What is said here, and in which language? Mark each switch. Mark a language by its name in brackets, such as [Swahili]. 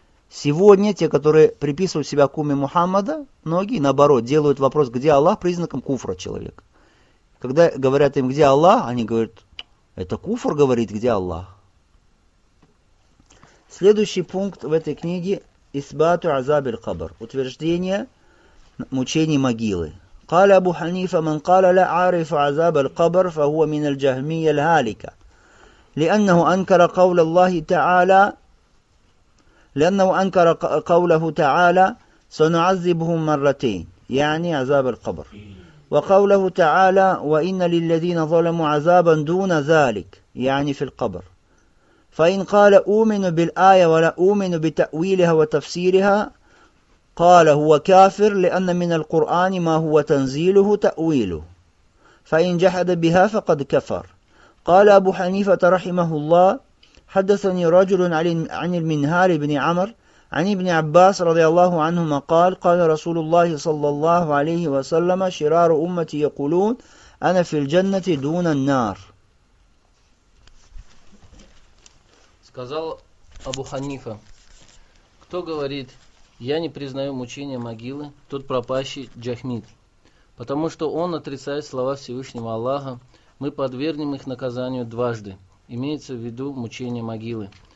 [Russian] Сегодня те, которые приписывают себя к умме Мухаммада, многие, наоборот, делают вопрос, где Аллах, признаком куфра человека. Когда говорят им, где Аллах, они говорят, это куфр говорит, где Аллах. Следующий пункт в этой книге «Исбату азабиль кабр» – утверждение мучений могилы. [Arabic] قال أبو حنيفة من قال لا أعرف عذاب القبر فهو من الجهمية الهالكة لأنه أنكر قول الله تعالى لأنه أنكر قوله تعالى سنعذبهم مرتين يعني عذاب القبر وقوله تعالى وإن للذين ظلموا عذابا دون ذلك يعني في القبر فإن قال أؤمن بالآية ولا أؤمن بتأويلها وتفسيرها قال هو كافر لأن من القرآن ما هو تنزيله تأويله فإن جحد بها فقد كفر قال أبو حنيفة رحمه الله حدثني رجل عن المنهار بن عمر عن ابن عباس رضي الله عنهما قال قال رسول الله صلى الله عليه وسلم شرار أمتي يقولون أنا في الجنة دون النار [Russian] сказал أبو حنيفة кто говорит Я не признаю мучения могилы, тот пропащий Джахмид, потому что он отрицает слова Всевышнего Аллаха, мы подвергнем их наказанию дважды, имеется в виду мучение могилы.